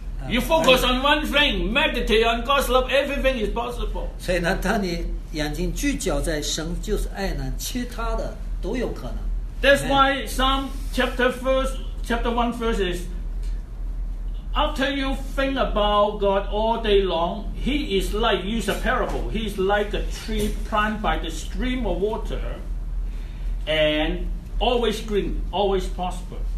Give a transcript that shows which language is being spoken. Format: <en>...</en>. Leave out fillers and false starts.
<en>You focus on one thing, meditate on God's love. Everything is possible.</en> <zh>所以呢，当你眼睛聚焦在神就是爱呢，其他的都有可能。</zh> <en>That's why Psalm chapter one verse is after you think about God all day long, He is like use a parable. He is like a tree planted by the stream of water, and always green, always prosper.</en>